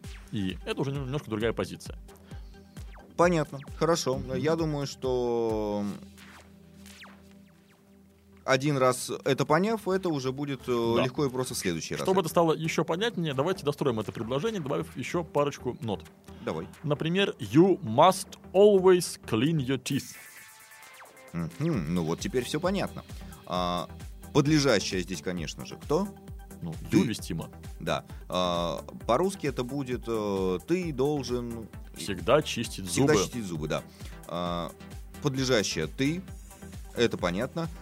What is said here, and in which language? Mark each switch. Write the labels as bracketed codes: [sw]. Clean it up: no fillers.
[ru] И это уже немножко другая позиция. Понятно, хорошо. Угу. Я думаю, что... Один раз это поняв, это уже будет да. легко и просто в следующий Чтобы раз. Чтобы это стало еще понятнее, давайте достроим это предложение, добавив еще парочку нот. Давай. [en] Например, you must always clean your teeth. Mm-hmm. [ru] Ну вот теперь все понятно. А, подлежащее здесь, конечно же, кто? Ну, you, вестимо. Да. А, по-русски это будет ты должен... Всегда чистить всегда Всегда чистить зубы, да. А, подлежащее ты, это понятно.